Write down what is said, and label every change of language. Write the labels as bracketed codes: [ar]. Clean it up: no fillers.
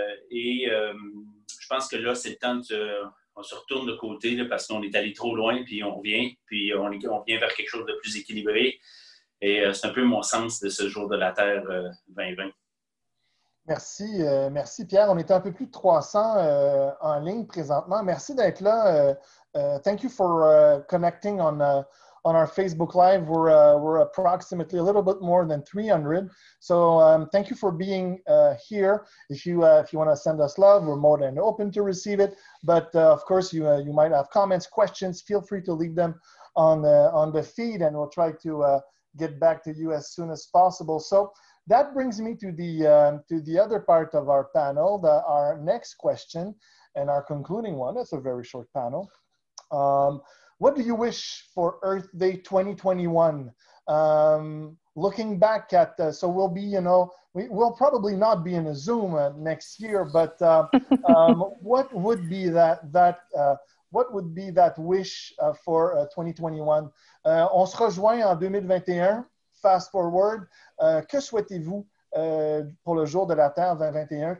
[fr] Je pense que là, c'est le temps on se retourne de côté, là, parce qu'on est allé trop loin, puis on revient, puis on vient vers quelque chose de plus équilibré. Et c'est un peu mon sens de ce jour de la Terre 2020. Merci. Merci, Pierre. On est un peu plus de 300 en ligne présentement. Merci d'être là. [en] Thank you for connecting on our Facebook Live. We're approximately a little bit more than 300. So thank you for being here. If you want to send us love, we're more than open to receive it. But of course, you might have comments, questions. Feel free to leave them on the feed, and we'll try to get back to you as soon as possible. So that brings me to the other part of our panel, our next question and our concluding one. That's a very short panel. What do you wish for Earth Day 2021? Looking back at, so we'll be, you know, we'll probably not be in a Zoom next year, but what would be that wish for 2021? [fr] On se rejoint en 2021, [en] fast forward. [fr] Que souhaitez-vous pour le jour de la Terre 2021?